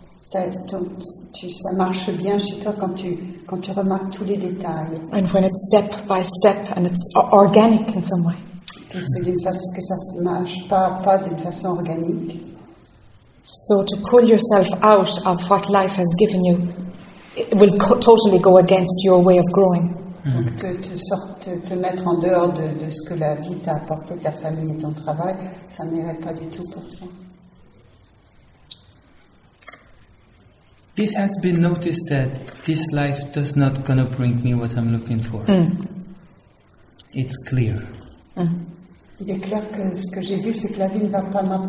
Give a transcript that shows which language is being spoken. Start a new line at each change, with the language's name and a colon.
French: Ça marche bien chez toi quand tu remarques tous les détails.
English: And when it's step by step and it's organic in some way.
French: Que c'est d'une façon que ça se marche pas d'une façon organique.
English: So to pull yourself out of what life has given you, it will totally go against your way of growing.
French: Donc te mettre en dehors de ce que la vie t'a apporté, ta famille et ton travail, ça n'irait pas du tout pour toi.
English: This has been noticed that this life does not gonna bring me what I'm looking for. Mm. It's clear. Mm.
French: Il est clair que ce que j'ai vu, c'est que la vie ne va pas